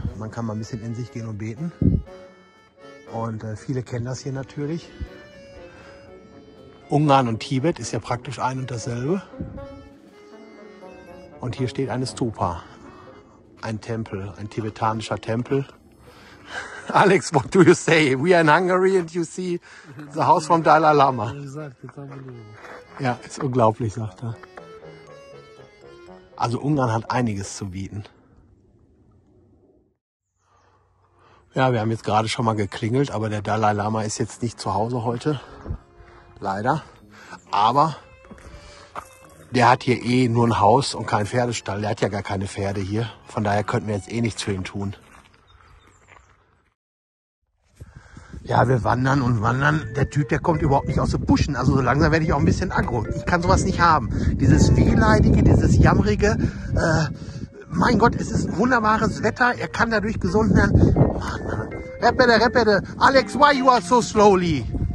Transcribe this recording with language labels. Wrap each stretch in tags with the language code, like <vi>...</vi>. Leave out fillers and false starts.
<de>Man kann mal ein bisschen in sich gehen und beten. Und viele kennen das hier natürlich. Ungarn und Tibet ist ja praktisch ein und dasselbe. Und hier steht eine Stupa. Ein Tempel, ein tibetanischer Tempel.</de> <en>Alex, what do you say? We are in Hungary and you see the house from Dalai Lama.</en> <de>Ja, ist unglaublich, sagt er. Also Ungarn hat einiges zu bieten. Ja, wir haben jetzt gerade schon mal geklingelt, aber der Dalai Lama ist jetzt nicht zu Hause heute, leider. Aber der hat hier eh nur ein Haus und keinen Pferdestall. Der hat ja gar keine Pferde hier. Von daher könnten wir jetzt eh nichts für ihn tun. Ja, wir wandern und wandern. Der Typ, der kommt überhaupt nicht aus den Buschen. Also so langsam werde ich auch ein bisschen aggro. Ich kann sowas nicht haben. Dieses Wehleidige, dieses Jammrige. Mein Gott, es ist ein wunderbares Wetter. Er kann dadurch gesund werden.</de> <ro>Repede.</ro> <en>Alex, why you are so slowly?</en>